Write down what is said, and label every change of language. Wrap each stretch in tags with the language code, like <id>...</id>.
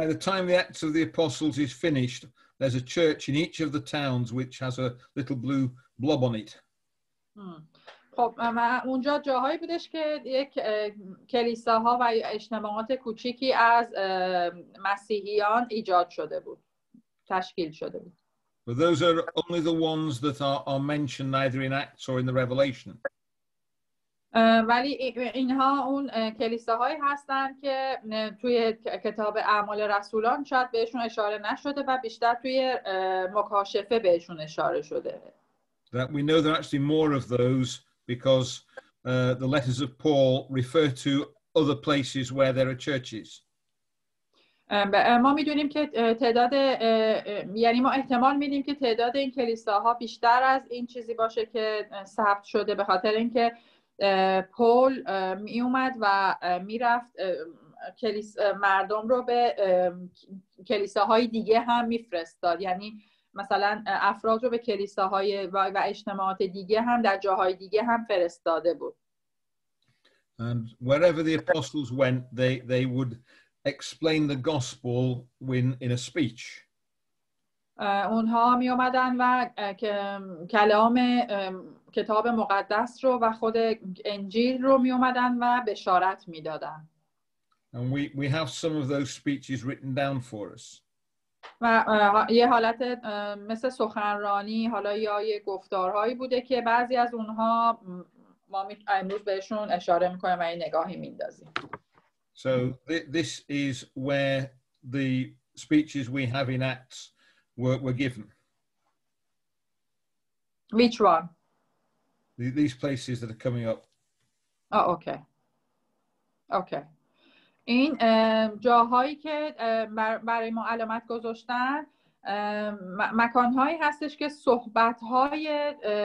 <en>By the time the Acts of the Apostles is finished, there's a church in each of the towns which has a little blue blob on it.</en> <fa>خب اونجا جاهایی بودش که یک کلیساها و اجتماعات کوچیکی از مسیحیان ایجاد شده بود. تشکیل شده بود.</fa> <en>But those are only the ones that are mentioned either in Acts or in the Revelation.</en> <fa>ولی اینها اون کلیساهایی هستن که توی کتاب اعمال رسولان شاید بهشون اشاره نشده و بیشتر توی مکاشفه بهشون اشاره شده.</fa> <en>That we know there are actually more of those because the letters of Paul refer to other places where there are churches.</en> <fa>ما میدونیم که تعداد یعنی ما احتمال میدیم که تعداد این کلیساها بیشتر از این چیزی باشه که ثبت شده به خاطر اینکه پول می اومد و می رفت کلیس مردم رو به کلیساهای دیگه هم می فرستاد یعنی مثلا افراد رو به کلیساهای و اجتماعات دیگه هم در جاهای دیگه هم فرستاده بود.</fa> <en>And wherever the apostles went, they would explain the gospel in a speech.</en> <fa>اونها می اومدن و کلام کتاب مقدس رو و خود انجیل رو می اومدن و بشارت می دادن.</fa> <en>And we have some of those speeches written down for us.</en> <fa>و یه حالت مثل سخنرانی حالا یا یه گفتارهایی بوده که بعضی از اونها ما امروز بهشون اشاره می کنیم و یه نگاهی می دازیم.</fa> <en>So this is where the speeches we have in Acts were given. Which one? These places that are coming up. Oh, okay. Okay.</en> <fa>این جاهایی که برای ما علامت گذاشتن مکانهایی هستش که صحبتهای</fa>